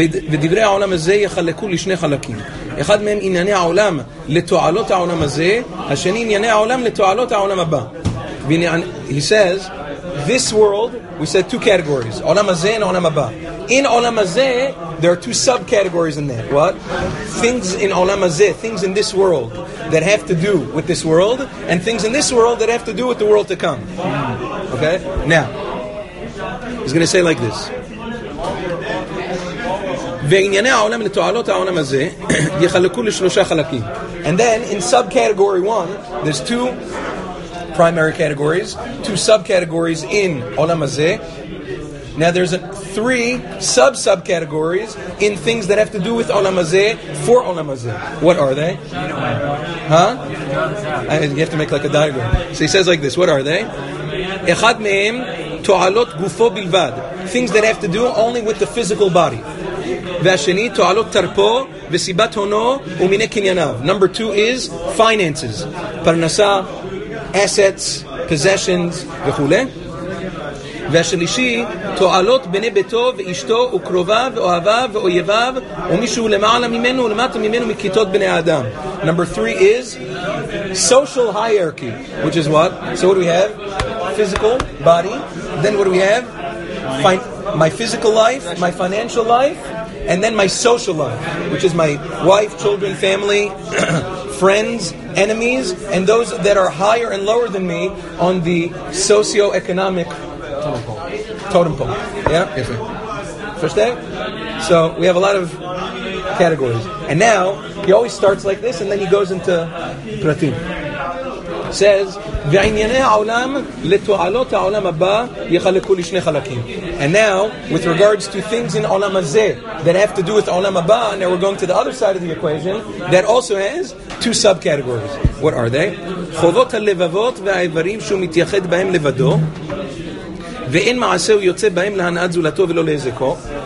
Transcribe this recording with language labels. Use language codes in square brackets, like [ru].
[he] ודברי העולם הזה יחלקו לשני חלקים. אחד מהם ענייני העולם לתועלות העולם הזה, השני ענייני העולם לתועלות העולם הבא. [en] He says, this world, we said two categories, עולם הזה and עולם הבא. In עולם הזה, there are two subcategories in that. What? Things in עולם הזה, things in this world that have to do with this world, and things in this world that have to do with the world to come. Okay? Now, he's going to say like this. [he] וענייני העולם לתועלות העולם הזה יחלקו לשלושה חלקים. [en] And then, in subcategory one, there's two primary categories, two subcategories in עולם הזה. Now there's three sub-subcategories in things that have to do with עולם הזה for עולם הזה. What are they? Huh? You have to make like a diagram. So he says like this, what are they? [he] אחד מהם תועלות גופו בלבד. [en] Things that have to do only with the physical body. [he] והשני, תועלות תרפו וסיבת הונו ומיני קנייניו. [en] Number two is finances. פרנסה, assets, possessions וכו'. [he] והשלישי, תועלות בני ביתו ואשתו וקרוביו ואוהביו ואויביו ומישהו למעלה ממנו ולמטה ממנו מכיתות בני האדם. [en] Number three is social hierarchy, which is what? So what do we have? Physical, body. Then what do we have? My physical life, my financial life. And then my social life, which is my wife, children, family, friends, enemies, and those that are higher and lower than me on the socioeconomic totem pole. Yeah? Yes, sir. First day? So we have a lot of categories. And now, he always starts like this, and then he goes into pratim. [he] Says, וענייני העולם לתועלות העולם הבא יחלקו לשני חלקים. [en] And now, with regards to things in עולם הזה that have to do with עולם הבא, now we're going to the other side of the equation, that also has two subcategories. What are they? [he] חובות הלבבות והאיברים שהוא מתייחד בהם לבדו, ואין מעשה הוא יוצא בהם להנעת זולתו ולא להזקו.